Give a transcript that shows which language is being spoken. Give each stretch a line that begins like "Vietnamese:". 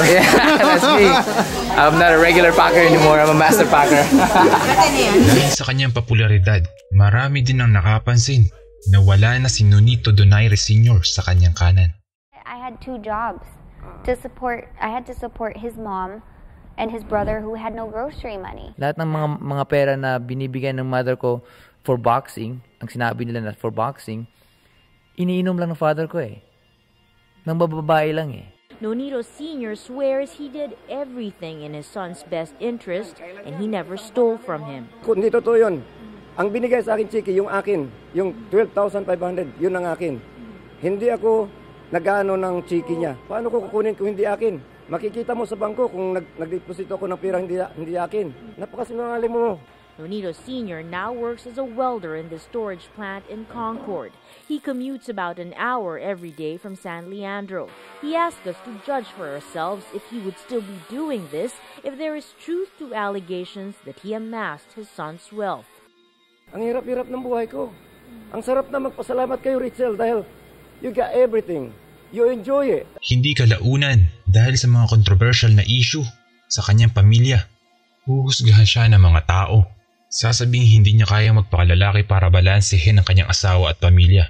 English: Yeah, that's me. I'm not a regular packer anymore. I'm a master packer.
Filipino: Sa kanyang popularidad, marami din ang nakapansin na wala na si Nonito Donaire Senior sa kanyang kanan.
English: I had two jobs to support. I had to support his mom and his brother who had no grocery money.
Filipino: Lahat ng mga pera na binibigay ng mother ko for boxing, ang sinabi nila na for boxing, iniinom lang ng father ko eh. Nang bababae lang eh.
English: Nonito Senior swears he did everything in his son's best interest and he never stole from him.
Filipino: Kundi totoo 'yun. Ang binigay sa akin, Chiki, yung akin, yung 12,500, yun ang akin. Hindi ako nag-ano ng Chiki niya. Paano ko kukunin kung hindi akin? Makikita mo sa bangko kung nag-deposito ako ng pira hindi akin. Napakasinungaling mo.
English: Nonito Sr. now works as a welder in the storage plant in Concord. He commutes about an hour every day from San Leandro. He asked us to judge for ourselves if he would still be doing this if there is truth to allegations that he amassed his son's wealth.
Filipino: Ang hirap-hirap ng buhay ko. Ang sarap na magpasalamat kayo, Richel, dahil
English: you got everything. You enjoy it.
Filipino: Hindi kalaunan dahil sa mga controversial na issue sa kanyang pamilya. Huhusgahan siya ng mga tao. Sasabing hindi niya kayang magpakalalaki para balansehin ang kanyang asawa at pamilya.